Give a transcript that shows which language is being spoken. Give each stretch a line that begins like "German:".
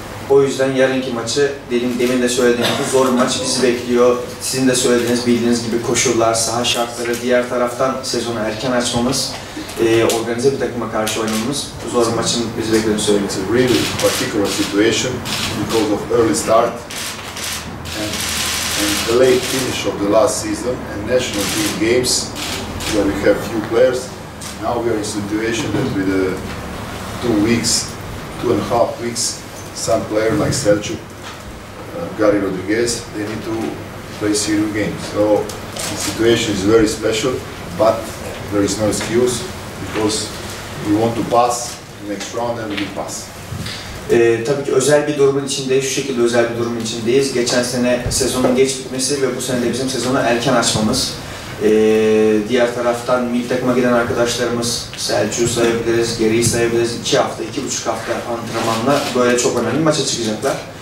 Turkish: O yüzden yarınki maçı, demin de söylediğim gibi zor bir maç bizi bekliyor. Sizin de söylediğiniz, bildiğiniz gibi koşullar, saha şartları, diğer taraftan sezonu erken açmamız, organize bir takıma karşı oynamamız, zor bir maçın bizi beklediğini söylüyor.
English: It's a really particular situation because of early start and the late finish of the last season and national team games where we have few players. Now we are in a situation that with two and a half weeks, some players like Selçuk, Gary Rodriguez, they need to play serious games. So the situation is very special, but there is no excuse because we want to pass the next round and we will pass.
Turkish: Tabii ki özel bir durumun içindeyiz, şu şekilde özel bir durumun içindeyiz. Geçen sene sezonun geç bitmesi ve bu sene de bizim sezonu erken açmamız. Diğer taraftan milli takıma giden arkadaşlarımız, Selçuk'u sayabiliriz, Geri'yi sayabiliriz. 2 hafta, 2,5 hafta antrenmanla böyle çok önemli maça çıkacaklar.